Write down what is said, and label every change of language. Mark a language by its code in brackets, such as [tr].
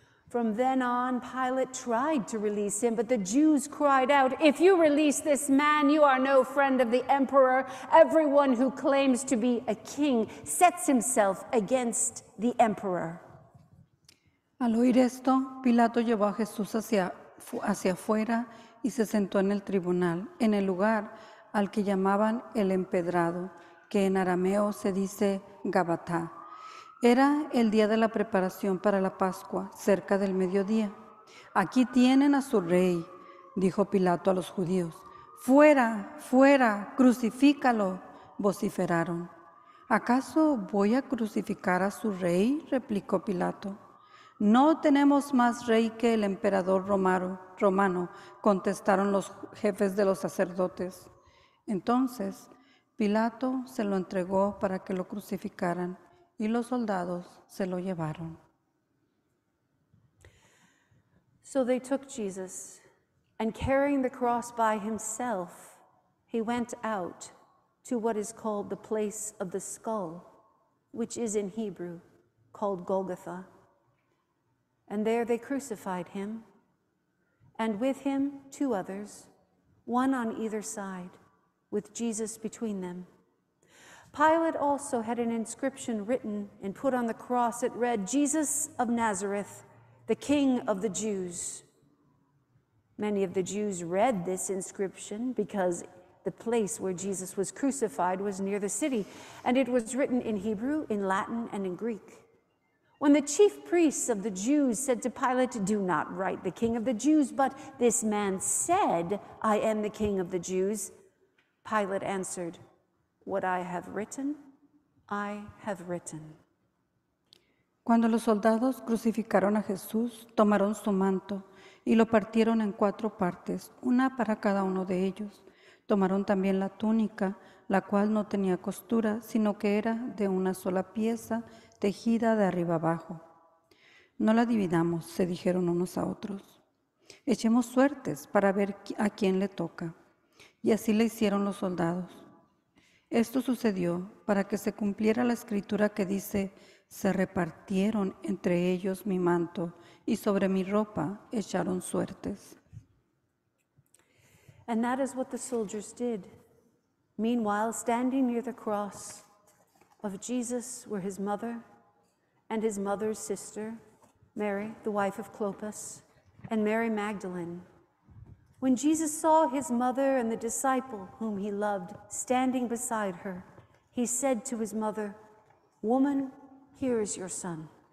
[en] From then on, Pilate tried to release him, but the Jews cried out, "If you release this man, you are no friend of the emperor. Everyone who claims to be a king sets himself against the emperor." [es] Al oír esto, Pilato llevó a Jesús hacia afuera y se sentó en el tribunal, en el lugar al que llamaban el empedrado, que en arameo se dice Gabatá. Era el día de la preparación para la Pascua, cerca del mediodía. "Aquí tienen a su rey", dijo Pilato a los judíos. "¡Fuera, fuera, crucifícalo!", vociferaron. "¿Acaso voy a crucificar a su rey?", replicó Pilato. "No tenemos más rey que el emperador romano, contestaron los jefes de los sacerdotes. Entonces Pilato se lo entregó para que lo crucificaran. Y los soldados se lo llevaron. [en] So they took Jesus, and carrying the cross by himself, he went out to what is called the place of the skull, which is in Hebrew called Golgotha. And there they crucified him, and with him two others, one on either side, with Jesus between them. Pilate also had an inscription written and put on the cross. It read, "Jesus of Nazareth, the King of the Jews." Many of the Jews read this inscription because the place where Jesus was crucified was near the city, and it was written in Hebrew, in Latin, and in Greek. When the chief priests of the Jews said to Pilate, "Do not write 'the King of the Jews,' but 'This man said, I am the King of the Jews,'" Pilate answered, "What I have written, I have written." [es] Cuando los soldados crucificaron a Jesús, tomaron su manto y lo partieron en cuatro partes, una para cada uno de ellos. Tomaron también la túnica, la cual no tenía costura, sino que era de una sola pieza, tejida de arriba abajo. "No la dividamos", se dijeron unos a otros. "Echemos suertes para ver a quién le toca." Y así le hicieron los soldados. Esto sucedió para que se cumpliera la escritura que dice: se repartieron entre ellos mi manto y sobre mi ropa echaron suertes. [en] And that is what the soldiers did. Meanwhile, standing near the cross of Jesus were his mother and his mother's sister, Mary, the wife of Clopas, and Mary Magdalene. When Jesus saw his mother and the disciple whom he loved standing beside her, he said to his mother, "Woman, here is your son."